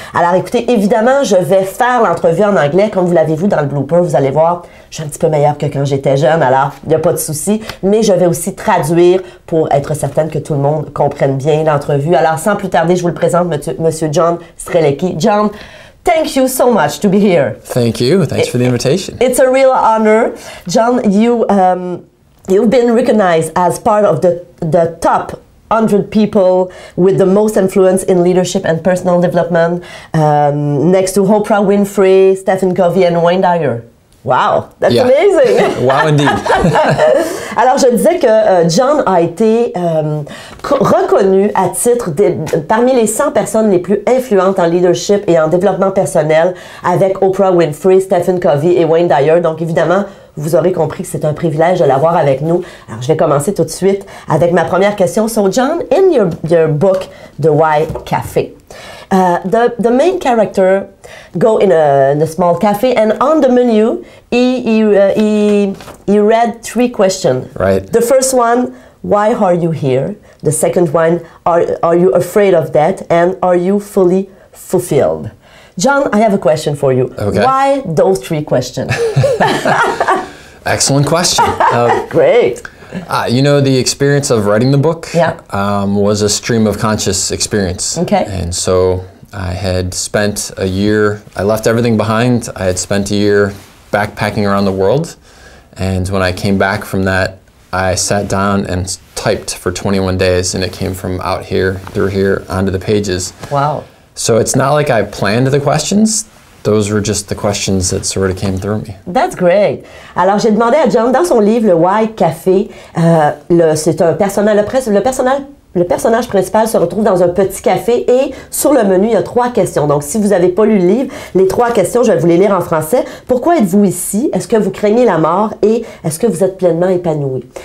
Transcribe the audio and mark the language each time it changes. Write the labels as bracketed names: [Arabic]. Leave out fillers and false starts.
[French] Alors écoutez, évidemment, je vais faire l'entrevue en anglais. Comme vous l'avez vu dans le blooper, vous allez voir, je suis un petit peu meilleure que quand j'étais jeune. Alors, il n'y a pas de souci. Mais je vais aussi traduire pour être certaine que tout le monde comprenne bien l'entrevue. Alors, sans plus tarder, je vous le présente, Monsieur John Strelecky. [English] John, thank you so much to be here. Thank you. Thanks for the invitation. It's a real honor. John, you've been recognized as part of the top 100 people with the most influence in leadership and personal development, next to Oprah Winfrey, Stephen Covey, and Wayne Dyer. Wow, that's amazing! Wow, indeed! [French] Alors, je disais que John a été reconnu à titre de, parmi les 100 personnes les plus influentes en leadership et en développement personnel avec Oprah Winfrey, Stephen Covey et Wayne Dyer. Donc, évidemment, vous aurez compris que c'est un privilège de l'avoir avec nous. Alors, je vais commencer tout de suite avec ma première question. [English] So, John, in your book, The Why Café, the main character go in a small cafe, and on the menu, he read three questions. Right. The first one, why are you here? The second one, are you afraid of death? And are you fully fulfilled? John, I have a question for you. Okay. Why those three questions? Excellent question. Great. You know, the experience of writing the book was a stream of conscious experience. Okay. And so I had spent a year, I left everything behind. I had spent a year backpacking around the world. And when I came back from that, I sat down and typed for 21 days, and it came from out here, through here, onto the pages. Wow. So it's not like I planned the questions. Those were just the questions that sort of came through me. That's great. [French] Alors, j'ai demandé à John, dans son livre, le Why Café, c'est un personnage, le personnage principal se retrouve dans un petit café et sur le menu, il y a trois questions. Donc, si vous n'avez pas lu le livre, les trois questions, je vais vous les lire en français. Pourquoi êtes-vous ici? Est-ce que vous craignez la mort? Et est-ce que vous êtes pleinement épanoui?